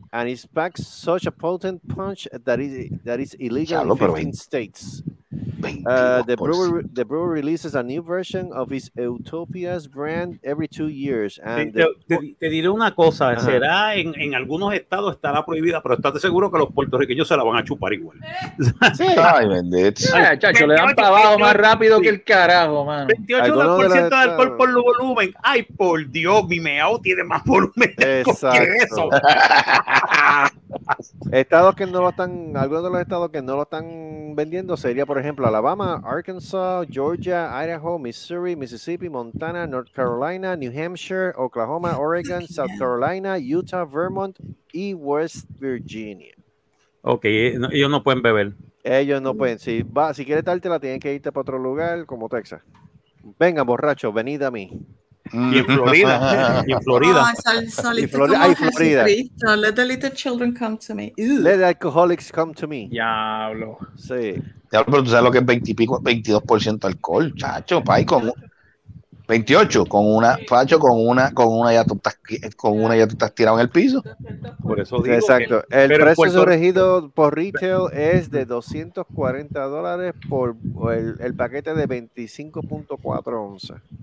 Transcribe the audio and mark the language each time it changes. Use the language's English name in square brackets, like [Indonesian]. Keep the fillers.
[English] And it's back such a potent punch that is, that is illegal lo, in 15 states. Uh, the, brewer, sea. the brewer releases a new version of his Utopias brand every two years. [Spanish] And te, te, te, te, diré una cosa, Ajá. será en, en algunos estados estará prohibida, pero estate seguro que los puertorriqueños se la van a chupar igual. ¿Eh? Sí. Ay, bendito. Sí. Oye, chacho, le dan para abajo más rápido que el carajo, mano. 28% del alcohol por el volumen. Ay, por Dios, mi meao tiene más volumen Exacto. eso. estados que no lo están, algunos de los estados que no lo están vendiendo sería, por ejemplo, Alabama, Arkansas, Georgia, Idaho, Missouri, Mississippi, Montana, North Carolina, New Hampshire, Oklahoma, Oregon, South Carolina, Utah, Vermont y West Virginia. Ok, no, ellos no pueden beber. Ellos no pueden. Si, va, si quieres darte la, tienen que irte para otro lugar como Texas. Venga, borracho, venid a mí y en Florida. y en Florida. Oh, Florida. Ah, sal, sal, y Florida, ¿tú ¿tú en Florida? [English] let the little children come to me. Let the alcoholics come to me. [Spanish] Diablo. Sí. Diablo, pero tú sabes lo que es 20 y pico, 22% alcohol, chacho, pay, con 28, con una, sí. Pacho, con una, con una ya tú estás, con una ya tú estás tirado en el piso. Por eso digo sí, Exacto. Que, el precio sugerido pues, pues, por retail pues, es de 240 dólares por el, el paquete de 25.4 onzas.